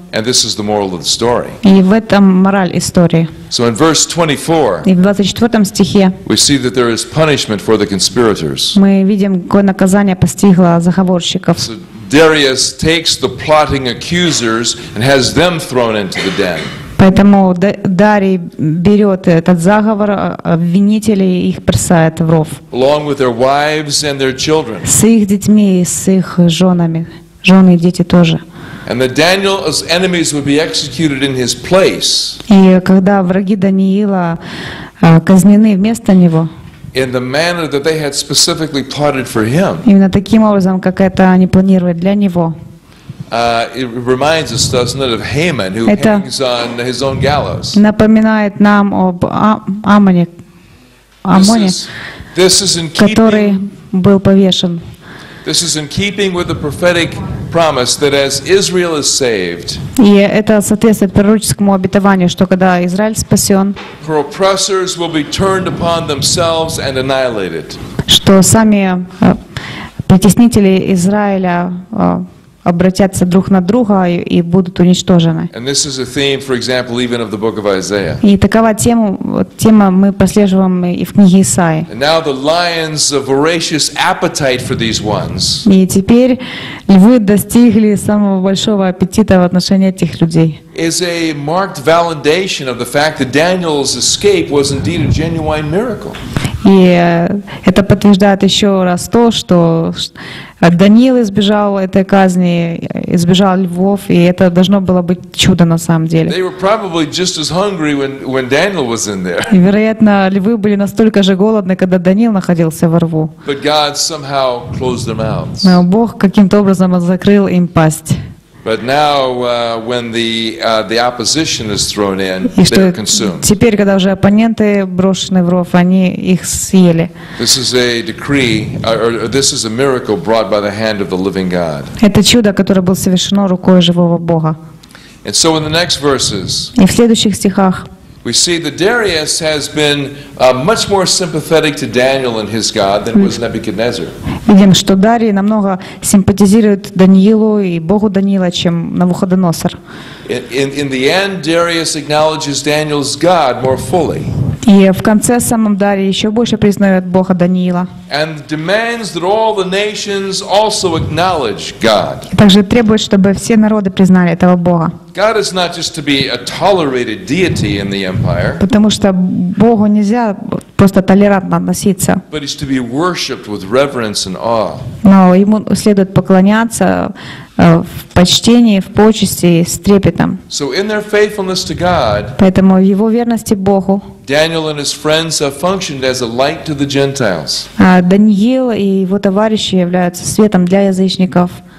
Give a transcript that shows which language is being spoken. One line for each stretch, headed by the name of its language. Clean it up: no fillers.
English: And this is the moral of the story.
Russian: И в этом мораль истории.
English: So in verse 24.
Russian: И в 24 стихе.
English: We see that there is punishment for the conspirators.
Russian: Мы видим, какое наказание постигло заговорщиков.
English: Darius takes the plotting accusers and has them thrown into the den.
Russian: Поэтому Дарий берет этот заговор обвинителей и их бросает в ров.
English: Along with their wives and their children.
Russian: С их детьми и с их женами, жены и дети тоже.
English: And the Daniel's enemies would be executed in his place.
Russian: И когда враги Даниила казнены вместо него.
English: In the manner that they had specifically plotted for him.
Russian: Именно таким образом, как это они планировали для него.
English: It reminds us, doesn't it, of Haman, who hangs on his own gallows.
Russian: Напоминает нам об Амоне, Амоне, который был повешен.
English: This is in keeping with the prophetic promise that as Israel is saved.
Russian: И это соответствует пророческому обетованию, что когда Израиль спасен.
English: Her oppressors will be turned upon themselves and annihilated.
Russian: Что сами притеснители Израиля обратятся друг на друга и будут уничтожены.
English: And this is a theme, for example, even of the book of Isaiah.
Russian: И такова тема мы прослеживаем и в книге Исаии.
English: And now the lions of voracious appetite for these ones.
Russian: И теперь львы достигли самого большого аппетита в отношении этих людей.
English: Is a marked validation of the fact that Daniel's escape was indeed a genuine miracle.
Russian: И это подтверждает еще раз то, что Даниил избежал этой казни, избежал львов, и это должно было быть чудо на самом деле.
English: They were probably just as hungry when Daniel was in there.
Russian: И, вероятно, львы были настолько же голодны, когда Даниил находился во рву.
English: But God somehow closed their mouths.
Russian: Но Бог каким-то образом закрыл им пасть.
English: But now, when the opposition is thrown in, they're consumed.
Russian: Теперь, когда уже оппоненты брошены в ров, они их съели.
English: This is a decree, or this is a miracle brought by the hand of the living God.
Russian: Это чудо, которое было совершено рукой живого Бога.
English: And so, in the next verses.
Russian: И в следующих стихах.
English: We see that Darius has been much more sympathetic to Daniel and his God than was Nebuchadnezzar.
Russian: Видим, что Дарий намного симпатизирует Даниилу и Богу Даниила, чем Навуходоносор.
English: In the end, Darius acknowledges Daniel's God more fully.
Russian: И в конце самом Дарий еще больше признает Бога Даниила.
English: And demands that all the nations also acknowledge God.
Russian: Также требует, чтобы все народы признали этого Бога.
English: God is not just to be a tolerated deity in the empire.
Russian: Потому что Богу нельзя просто толерантно относиться.
English: But he's to be worshipped with reverence and awe.
Russian: Но ему следует поклоняться в почтении, в почести, с трепетом.
English: So in their faithfulness to God.
Russian: Поэтому в его верности Богу.
English: Daniel and his friends have functioned as a light to the Gentiles.
Russian: А Даниил и его товарищи являются светом для язычников.